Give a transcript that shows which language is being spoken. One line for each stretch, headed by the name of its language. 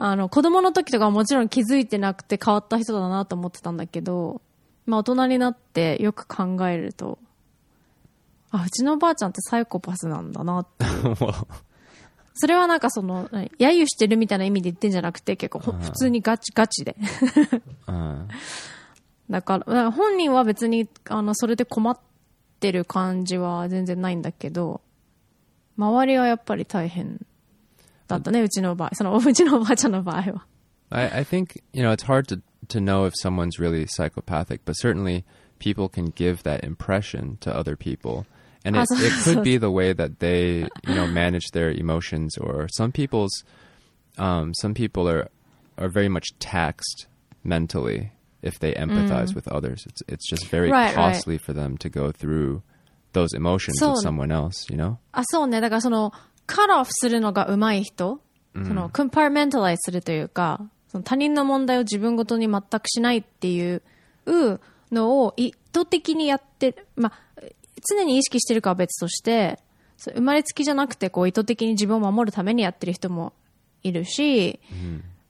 Japanese: 子供の時とかはもちろん気づいてなくて変わった人だなと思ってたんだけど、まあ、大人になってよく考えるとあうちのおばあちゃんってサイコパスなんだなってそれはなんかその揶揄してるみたいな意味で言ってんじゃなくて結構普通にガチガチでだから本人は別にそれで困ってる感じは全然ないんだけど周りはやっぱり大変だったねうちの場合そのうちのおばあちゃんの場合は
English: I think you know it's hard to know if someone's really psychopathic but certainly people can give that impression to other peopleAnd it could be the way that they, you know, manage their emotions. Or some people are very much taxed mentally if they empathize with others. It's just very costly for them to go through those emotions of someone else. You know.
Japanese: あ、そうね。だからそのカットオフするのがうまい人、そのコンパーメンタライズするというか、その他人の問題を自分ごとに全くしないっていうのを意図的にやって、ま。常に意識してるかは別として生まれつきじゃなくてこう意図的に自分を守るためにやってる人もいるし、うん